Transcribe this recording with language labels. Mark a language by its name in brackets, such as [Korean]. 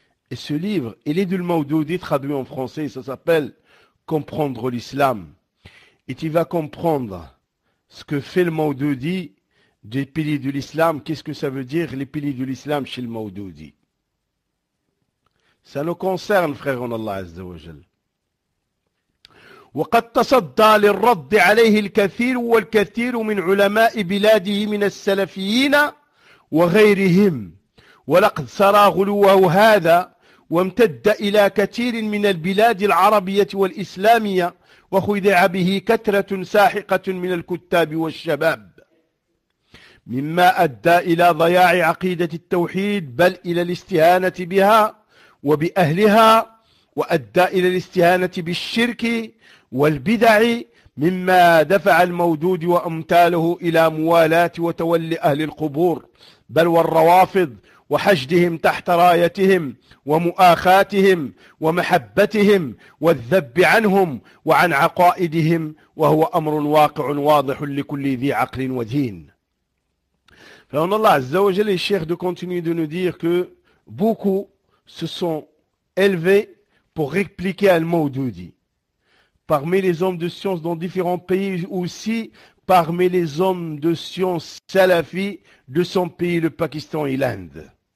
[French] Et ce livre, il est du Maududi traduit en français, ça s'appelle « Comprendre l'islam ». Et tu vas comprendre ce que fait le Maududi des piliers de l'islam, qu'est-ce que ça veut dire les piliers de l'islam chez le Maududi. Ça nous concerne, frère en Allah Azza wa Jal. [Arabic] وقد تصدى للرد عليه الكثير والكثير من علماء بلاده من السلفيين وغيرهم ولقد سرى غلوه هذا وامتد إلى كثير من البلاد العربية والإسلامية وخدع به كثرة ساحقة من الكتاب والشباب مما أدى إلى ضياع عقيدة التوحيد بل إلى الاستهانة بها وبأهلها وأدى إلى الاستهانة بالشرك والبدع مما دفع المودود وأمثاله إلى موالاة وتولي أهل القبور بل والروافض وحشدهم تحت رايتهم ومؤاخاتهم ومحبتهم والذب عنهم وعن عقائدهم وهو أمر واقع واضح لكل ذي عقل ودين. [French] فإن الله عز وجل الشيخ de continuer de nous dire que beaucoup se sont élevés pour répliquer Al-Maududi. Parmi les hommes de science dans différents pays aussi, parmi les hommes de science salafi de son pays, le Pakistan et l'Inde.